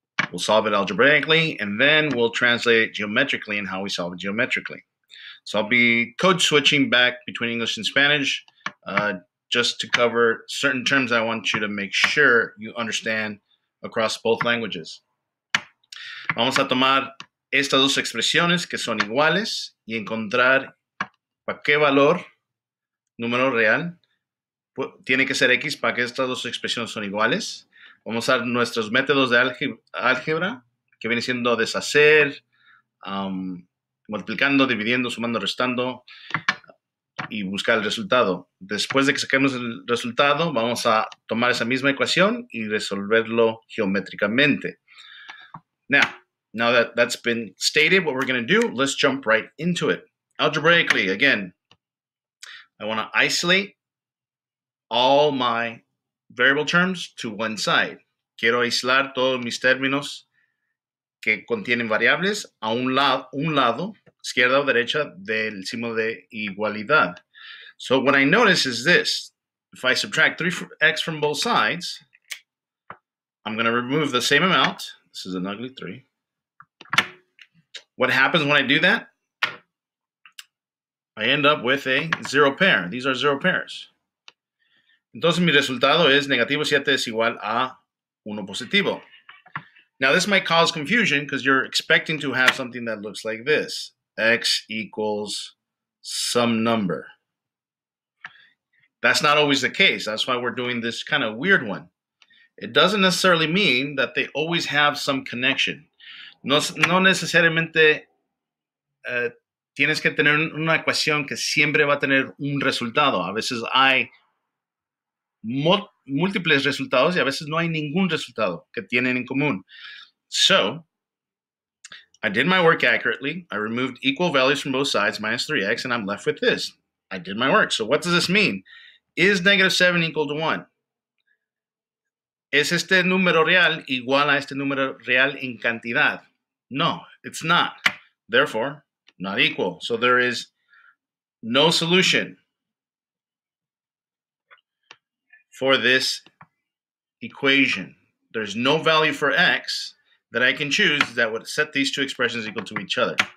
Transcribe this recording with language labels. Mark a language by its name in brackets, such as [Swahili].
[English] We'll solve it algebraically, and then we'll translate it geometrically and how we solve it geometrically. So I'll be code switching back between English and Spanish just to cover certain terms I want you to make sure you understand across both languages. [Spanish] Vamos a tomar estas dos expresiones que son iguales y encontrar para qué valor, número real, tiene que ser X para que estas dos expresiones son iguales. Vamos a usar nuestros métodos de álgebra, que viene siendo deshacer, multiplicando, dividiendo, sumando, restando y buscar el resultado. Después de que saquemos el resultado, vamos a tomar esa misma ecuación y resolverlo geométricamente. [English] Now that that's been stated, what we're going to do, let's jump right into it. Algebraically, again, I want to isolate all my variable terms to one side. [Spanish] Quiero aislar todos mis términos que contienen variables a un lado, izquierda o derecha, del símbolo de igualdad. [English] So what I notice is this. If I subtract 3x from both sides, I'm going to remove the same amount. This is an ugly 3. What happens when I do that? I end up with a zero pair. These are zero pairs. [Spanish] Entonces, mi resultado es negativo 7 es igual a 1 positivo. [English] Now, this might cause confusion because you're expecting to have something that looks like this. X equals some number. That's not always the case. That's why we're doing this kind of weird one. It doesn't necessarily mean that they always have some connection. [Spanish] No necesariamente tienes que tener una ecuación que siempre va a tener un resultado. A veces hay múltiples resultados y a veces no hay ningún resultado que tienen en común. [English] So, I did my work accurately. I removed equal values from both sides, minus 3x, and I'm left with this. I did my work. So, what does this mean? Is negative 7 equal to 1? [Spanish] ¿Es este número real igual a este número real en cantidad? [English] No, it's not. Therefore, not equal. So there is no solution for this equation. There's no value for x that I can choose that would set these two expressions equal to each other.